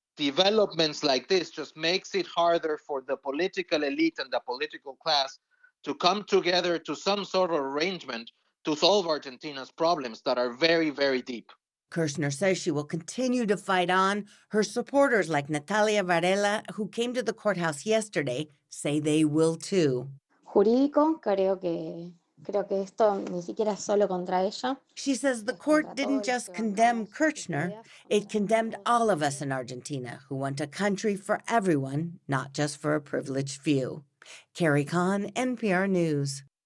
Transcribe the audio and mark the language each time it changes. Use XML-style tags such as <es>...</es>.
<en>Developments like this just makes it harder for the political elite and the political class to come together to some sort of arrangement to solve Argentina's problems that are very, very deep. Kirchner says she will continue to fight on. Her supporters, like Natalia Varela, who came to the courthouse yesterday, say they will too.</en> <es>Jurídico, creo que esto ni siquiera es solo contra ella.</es> <en>She says the court didn't just condemn Kirchner, it condemned all of us in Argentina who want a country for everyone, not just for a privileged few. Kerry Kahn, NPR News.</en>